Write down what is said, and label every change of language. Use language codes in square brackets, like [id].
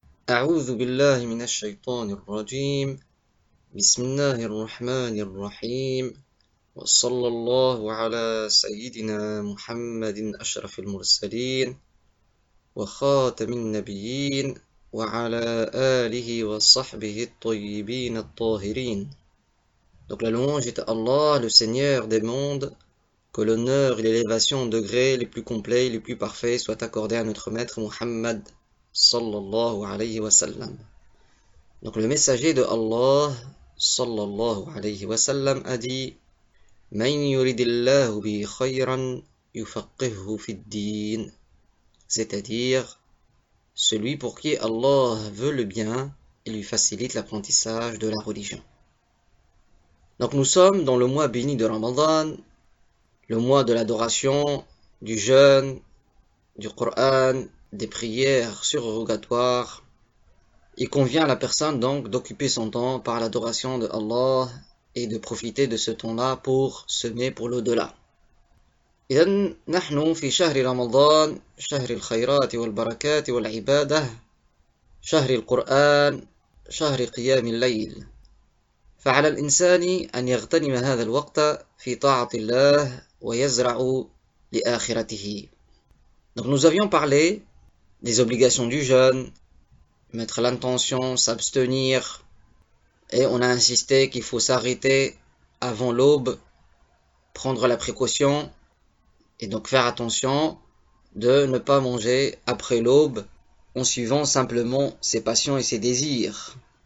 [ar] أعوذ بالله من الشيطان الرجيم. بسم الله الرحمن الرحيم، وصلى الله على سيدنا محمد أشرف المرسلين وخاتم النبيين وعلى آله وصحبه الطيبين الطاهرين. [fr] Donc la louange est à Allah, le Seigneur des mondes, que l'honneur et l'élévation en degrés les plus complets et les plus parfaits soient accordés à notre maître Muhammad sallallahu alayhi wa sallam. Donc le messager de Allah sallallahu alayhi wa sallam a dit: [ar] Man yuridillahu bi khayran yufaqqihu fid din. [fr] C'est-à-dire, celui pour qui Allah veut le bien et lui facilite l'apprentissage de la religion. Donc nous sommes dans le mois béni de Ramadan, le mois de l'adoration, du jeûne, du Coran, des prières surérogatoires. Il convient à la personne donc d'occuper son temps par l'adoration de Allah et de profiter de ce temps-là pour semer pour l'au-delà. [ar] إذن نحن في شهر رمضان، شهر الخيرات والبركات والعبادة، شهر القرآن، شهر قيام الليل. فعلى الإنسان أن يغتنم هذا الوقت في طاعة الله ويزرع لآخرته. [fr] Donc nous avions parlé des obligations du jeûne, mettre l'intention, s'abstenir, et on a insisté qu'il faut s'arrêter avant l'aube, prendre la précaution, et donc faire attention de ne pas manger après l'aube en suivant simplement ses passions et ses désirs.